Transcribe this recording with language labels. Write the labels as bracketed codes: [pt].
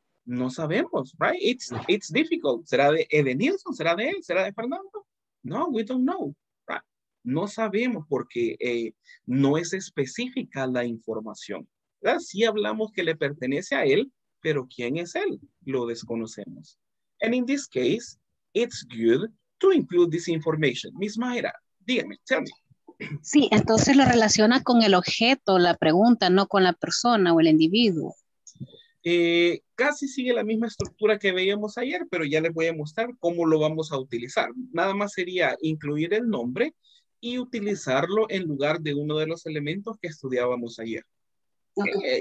[es] No sabemos, [en] right? It's difficult. [es] ¿Será de Edenilson? ¿Será de él? ¿Será de Fernando? [en] No, we don't know. Right? [es] No sabemos porque no es específica la información. ¿Verdad? Sí hablamos que le pertenece a él, pero ¿quién es él? Lo desconocemos. [en] And in this case, it's good to include this information. Miss Mayra, [es] dígame, [en] tell me. [es] Sí, entonces lo relaciona con el objeto, la pregunta, no con la persona o el individuo. Casi sigue la misma estructura que veíamos ayer, pero ya les voy a mostrar cómo lo vamos a utilizar. Nada más sería incluir el nombre y utilizarlo en lugar de uno de los elementos que estudiábamos ayer. Okay.